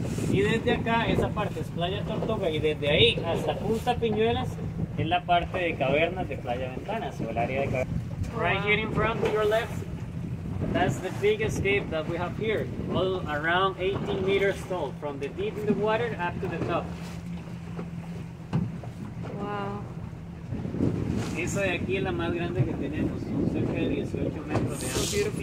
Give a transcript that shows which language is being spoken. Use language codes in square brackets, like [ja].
[es] Y desde acá, esa parte es Playa Tortuga, y desde ahí hasta Punta Piñuelas es la parte de cavernas de Playa Ventanas, o el área de cavernas. [en] Right here in front, to your left, that's the biggest cave that we have here, all around 18 meters tall, from the deep in the water up to the top. Wow. [es] Esa de aquí es la más grande que tenemos, son cerca de 18 metros de alto.